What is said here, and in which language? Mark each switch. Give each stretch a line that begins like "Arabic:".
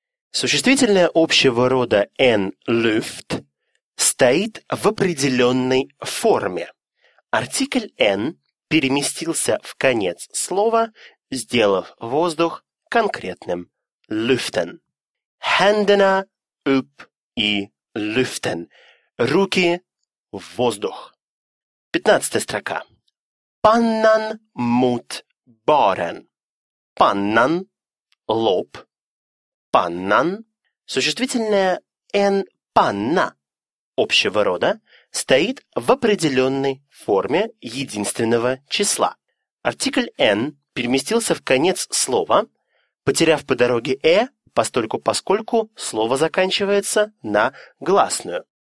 Russian: Существительное общего рода «en luft» стоит в определенной форме. Артикль «en» переместился в конец слова, сделав воздух конкретным «люфтен».
Swedish: «Händerna upp i luften» –
Russian: «руки в воздух». 15 строка.
Swedish: «Pannan mot baren» – «pannan» – «лоб».
Russian: «Паннан» – существительное «en panna» общего рода, стоит в определенной форме единственного числа. Артикль «n» переместился в конец слова, потеряв по дороге «e», поскольку слово заканчивается на гласную.